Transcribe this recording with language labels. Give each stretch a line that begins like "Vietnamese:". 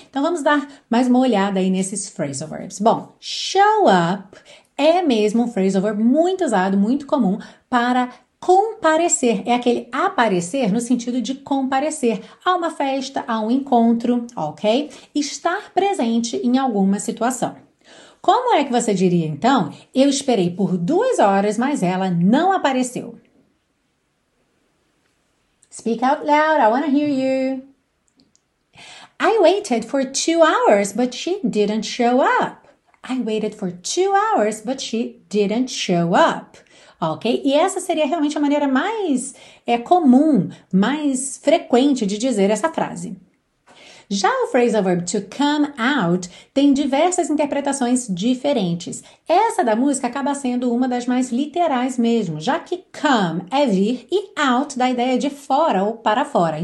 Portuguese: Então vamos dar mais uma olhada aí nesses phrasal verbs. Bom, show up é mesmo um phrasal verb muito usado, muito comum para comparecer. É aquele aparecer no sentido de comparecer a uma festa, a um encontro, ok? Estar presente em alguma situação. Como é que você diria, então, eu esperei por 2 horas, mas ela não apareceu?
English: Speak out loud, I want to hear you. I waited for 2 hours, but she didn't show up. I waited for 2 hours, but she didn't show up. Ok?
Portuguese: E essa seria realmente a maneira mais comum, mais frequente de dizer essa frase. Já o phrasal verb to come out tem diversas interpretações diferentes. Essa da música acaba sendo uma das mais literais mesmo, já que come é vir e out dá a ideia de fora ou para fora.